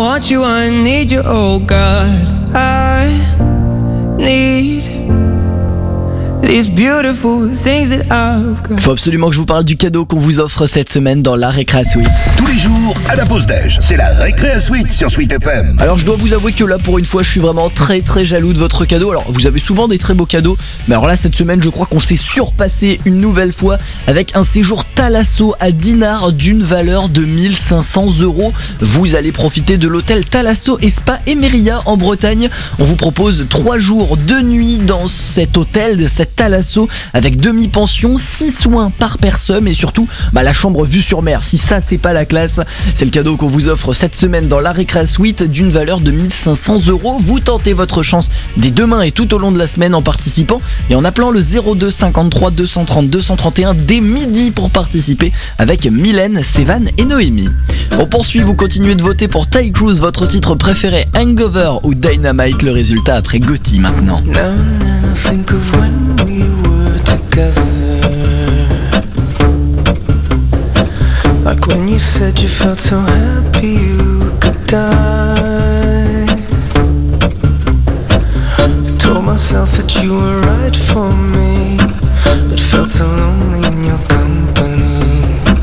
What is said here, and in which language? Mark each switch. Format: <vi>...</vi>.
<en>You, I need you, oh God. I need these beautiful things that I've got.</en> <fr>Faut absolument que je vous parle du cadeau qu'on vous offre cette semaine dans la Récréa Suite. Tous les jours à la pause déj, c'est la Récréa Suite sur Suite FM. Alors je dois vous avouer que là pour une fois je suis vraiment très très jaloux de votre cadeau. Alors vous avez souvent des très beaux cadeaux, mais alors là cette semaine je crois qu'on s'est surpassé une nouvelle fois avec un séjour Thalasso à Dinard d'une valeur de 1 500 €. Vous allez profiter de l'hôtel Thalasso et Spa Emeria en Bretagne. On vous propose 3 jours 2 nuits dans cet hôtel de cette Thalasso avec demi-pension, 6 soins par personne et surtout la chambre vue sur mer. Si ça c'est pas la classe, c'est le cadeau qu'on vous offre cette semaine dans la Récré Suite d'une valeur de 1 500 €. Vous tentez votre chance dès demain et tout au long de la semaine en participant et en appelant le 02 53 230 231 dès midi pour participer avec Mylène, Sévan et Noémie. On poursuit, vous continuez de voter pour Ty Cruz, votre titre préféré, Hangover ou Dynamite, le résultat après Gotti maintenant.</fr> <en>We were together, like when you said you felt so happy you could die. I told myself that you were right for me, but felt so lonely in your company.</en>